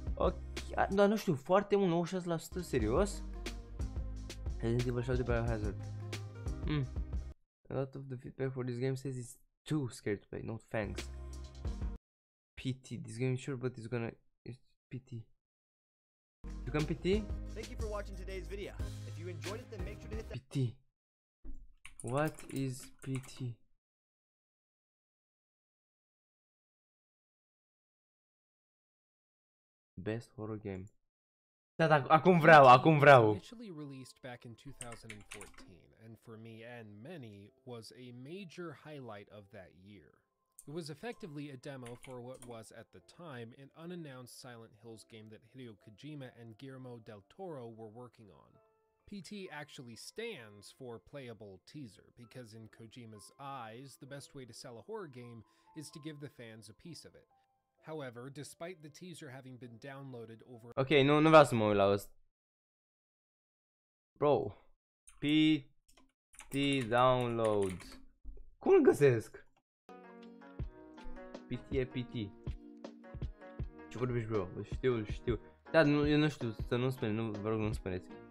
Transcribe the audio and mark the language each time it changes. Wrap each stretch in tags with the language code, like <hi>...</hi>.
<ro>Ok, dar nu știu, foarte mult, 96%, serios?</ro> <en>Resident Evil 7 Biohazard. A lot of the feedback for this game says it's too scary to play, no thanks. PT, this game is sure, but it's gonna... PT. You can PT? Thank you for watching today's video. If you enjoyed it, then make sure to hit the PT. What is PT? Best horror game.</en> <ro>Da, acum vreau.</ro> <en>Initially released back in 2014, and for me and many was a major highlight of that year. It was effectively a demo for what was at the time an unannounced Silent Hills game that Hideo Kojima and Guillermo del Toro were working on. PT actually stands for playable teaser, because in Kojima's eyes, the best way to sell a horror game is to give the fans a piece of it. However, despite the teaser having been downloaded over...</en> <ro>Okay, no, nu vreau să mă uit la asta. Bro, PT download. Cum găsesc? PT e PT. Ce vorbești, bro? Știu. Da, nu, eu nu știu, să nu-mi spune, nu, vă rog, nu-mi spuneți.</ro>